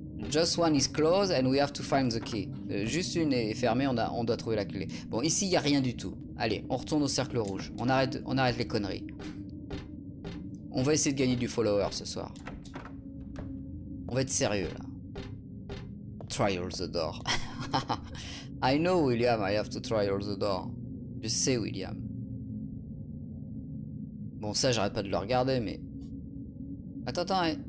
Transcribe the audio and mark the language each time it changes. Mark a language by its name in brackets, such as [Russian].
[English] Just one is closed and we have to find the key. [French] Juste une est fermée, on doit trouver la clé. Bon, ici, il n'y a rien du tout. Allez, on retourne au cercle rouge. On arrête les conneries. On va essayer de gagner du follower ce soir. On va être sérieux, là. [English] Try all the doors. I know, William, I have to try all the doors. [French] Je sais, William. Bon, ça, j'arrête pas de le regarder, mais... Attends.